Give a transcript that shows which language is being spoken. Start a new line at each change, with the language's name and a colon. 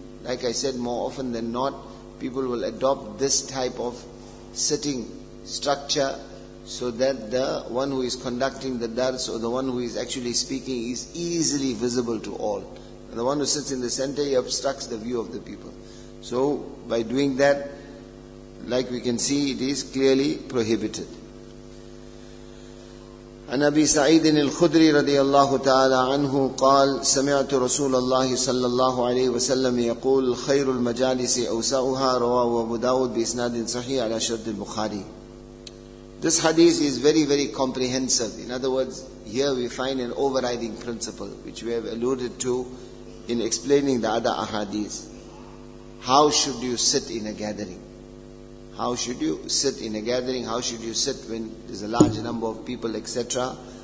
English: Like I said, more often than not, people will adopt this type of sitting structure so that the one who is conducting the dars or the one who is actually speaking is easily visible to all. And the one who sits in the center, he obstructs the view of the people. So by doing that, like we can see, it is clearly prohibited.
Arabic: عن أبي سعيد الخدري رضي الله تعالى عنه قال سمعت رسول الله صلى الله عليه وسلم يقول خير المجالس أوسعها رواه أبو داود بإسناد صحيح على شرط البخاري.
English: This hadith is very very comprehensive. In other words, here we find an overriding principle which we have alluded to in explaining the other ahadith. How should you sit in a gathering? How should you sit in a gathering? How should you sit when there's a large number of people, etc.?